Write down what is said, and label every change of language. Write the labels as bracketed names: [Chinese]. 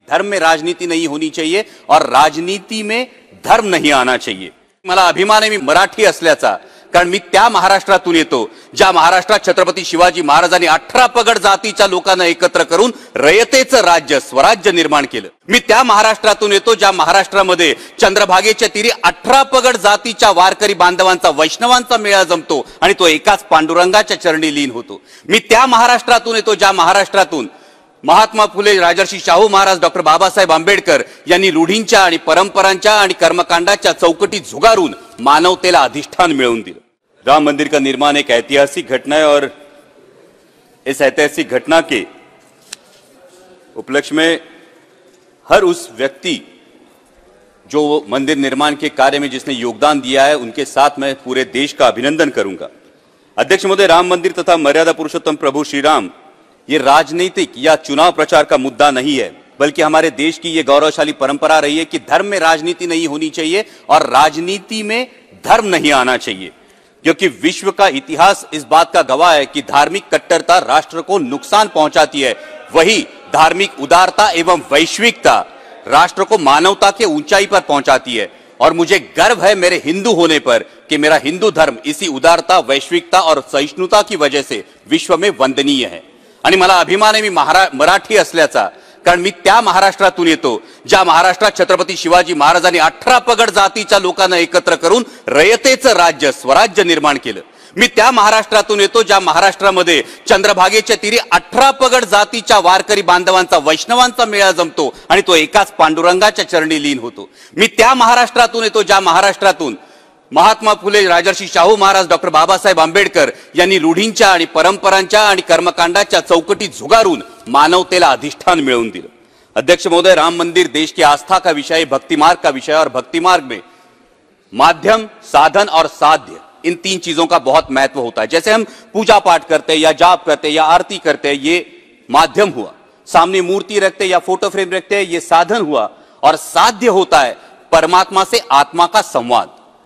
[Hindi] धर्म में राजनीति नहीं होनी चाहिए और राजनीति में धर्म नहीं आना चाहिए। [Marathi] मला अभिमान आहे मी मराठी असल्याचा, कारण मी त्या महाराष्ट्रातून येतो ज्या महाराष्ट्रात छत्रपती शिवाजी महाराजांनी 18 पगड जातीच्या लोकांना एकत्र करून रयतेचं राज्य स्वराज्य निर्माण केलं। मी त्या महाराष्ट्रातून येतो ज्या महाराष्ट्रामध्ये चंद्रभागेच्या तीरी 18 पगड जातीच्या वारकरी बांधवांचा वैष्णवांचा मेळा जमतो आणि तो एकाच पांडुरंगाच्या चरणी लीन होतो। मी त्या महाराष्ट्रातून येतो ज्या महाराष्ट्रातून महात्मा फुले, राजर्षी शाहू महाराज, डॉक्टर बाबासाहेब आंबेडकर यांनी रूढींच्या आणि परंपरांच्या आणि कर्मकांडाच्या चौकटी झुगारून मानवतेला अधिष्ठान मिळवून दिलं। [Hindi] राम मंदिर का निर्माण एक ऐतिहासिक घटना है और इस ऐतिहासिक घटना के उपलक्ष्य में हर उस व्यक्ति जो मंदिर निर्माण के कार्य में जिसने योगदान दिया है उनके साथ मैं पूरे देश का अभिनंदन करूंगा। अध्यक्ष महोदय, राम मंदिर तथा मर्यादा पुरुषोत्तम प्रभु श्रीराम ये राजनीतिक या चुनाव प्रचार का मुद्दा नहीं है, बल्कि हमारे देश की ये गौरवशाली परंपरा रही है कि धर्म में राजनीति नहीं होनी चाहिए और राजनीति में धर्म नहीं आना चाहिए, क्योंकि विश्व का इतिहास इस बात का गवाह है कि धार्मिक कट्टरता राष्ट्र को नुकसान पहुंचाती है, वही धार्मिक उदारता एवं वैश्विकता राष्ट्र को मानवता के ऊंचाई पर पहुंचाती है। और मुझे गर्व है मेरे हिंदू होने पर कि मेरा हिंदू धर्म इसी उदारता, वैश्विकता और सहिष्णुता की वजह से विश्व में वंदनीय है। [Marathi] आणि मला अभिमान आहे मी मराठी असल्याचा, कारण मी त्या महाराष्ट्रातून येतो ज्या महाराष्ट्रात छत्रपती शिवाजी महाराजांनी 18 पगड जातीच्या लोकांना एकत्र करून रयतेचं राज्य स्वराज्य निर्माण केलं। मी त्या महाराष्ट्रातून येतो ज्या महाराष्ट्रामध्ये चंद्रभागेच्या तीरी 18 पगड जातीच्या वारकरी बांधवांचा वैष्णवांचा मेळा जमतो आणि तो एकाच पांडुरंगाच्या चरणी लीन होतो। मी त्या महाराष्ट्रातून येतो ज्या महाराष्ट्रातून महात्मा फुले, राजर्षी शाहू महाराज, डॉक्टर बाबासाहेब आंबेडकर यांनी रूढींच्या आणि परंपरांच्या आणि कर्मकांडाच्या चौकटी झुगारून मानवतेला अधिष्ठान मिळवून दिलं। [Hindi] अध्यक्ष महोदय, राम मंदिर देश की आस्था का विषय, भक्तिमार्ग का विषय, और भक्तिमार्ग में माध्यम, साधन और साध्य, इन तीन चीजों का बहुत महत्व होता है। जैसे हम पूजा पाठ करते हैं या जाप करते हैं या आरती करते हैं, ये माध्यम हुआ। सामने मूर्ति रखते या फोटो फ्रेम रखते हैं, ये साधन हुआ। और साध्य होता है परमात्मा से आत्मा का संवाद।